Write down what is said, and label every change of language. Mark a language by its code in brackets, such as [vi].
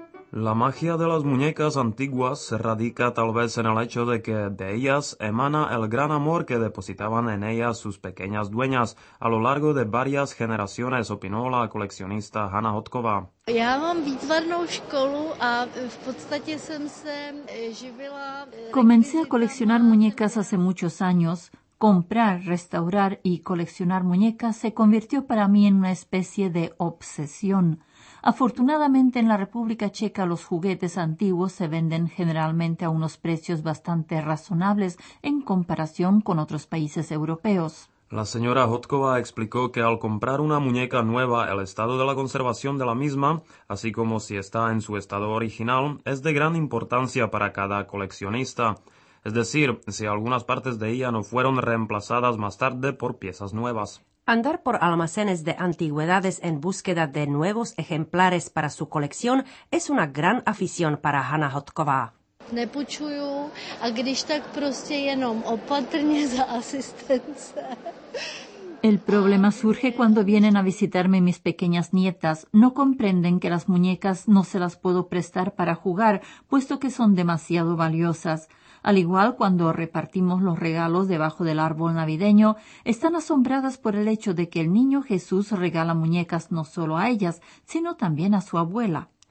[es] La magia de las muñecas antiguas radica tal vez en el hecho de que de ellas emana el gran amor que depositaban en ellas sus pequeñas dueñas a lo largo de varias generaciones, opinó la coleccionista Hanna Hodková. [cs] Já mám výtvarnou školu a v podstatě jsem se živila. [es] Comencé a coleccionar muñecas hace muchos años. Comprar, restaurar y coleccionar muñecas se convirtió para mí en una especie de obsesión. Afortunadamente, en la República Checa los juguetes antiguos se venden generalmente a unos precios bastante razonables en comparación con otros países europeos. La señora Hodková explicó que al comprar una muñeca nueva, el estado de la conservación de la misma, así como si está en su estado original, es de gran importancia para cada coleccionista. Es decir, si algunas partes de ella no fueron reemplazadas más tarde por piezas nuevas. Andar por almacenes de antigüedades en búsqueda de nuevos ejemplares para su colección es una gran afición para Hanna Hodková. [cs] Nepůjčuju a když tak prostě jenom opatrně za asistence. [es] El problema surge cuando vienen a visitarme mis pequeñas nietas. No comprenden que las muñecas no se las puedo prestar para jugar, puesto que son demasiado valiosas. Al igual, cuando repartimos los regalos debajo del árbol navideño, están asombradas por el hecho de que el niño Jesús regala muñecas no solo a ellas, sino también a su abuela.